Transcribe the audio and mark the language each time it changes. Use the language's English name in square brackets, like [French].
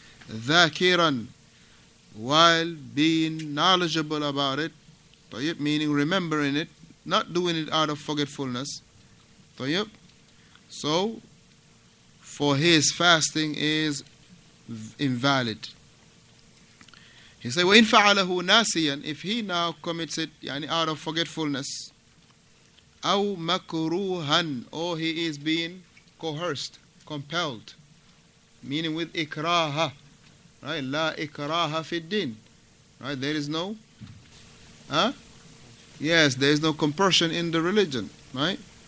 [English] dhakiran, while being knowledgeable about it, طيب, meaning remembering it, not doing it out of forgetfulness, طيب, so for his fasting is invalid. He said, [Arabic] وَإِنْ فَعَلَهُ نَاسِيًا, [English] if he now commits it يعني out of forgetfulness, [Arabic] أَوْ مَكْرُوهًا, [English] or he is being coerced, compelled, meaning with إِكْرَاهَ, right? [Arabic] لَا إِكْرَاهَ فِي الدِّينِ, [English] right? There is no, yes, there is no compulsion in the religion, right?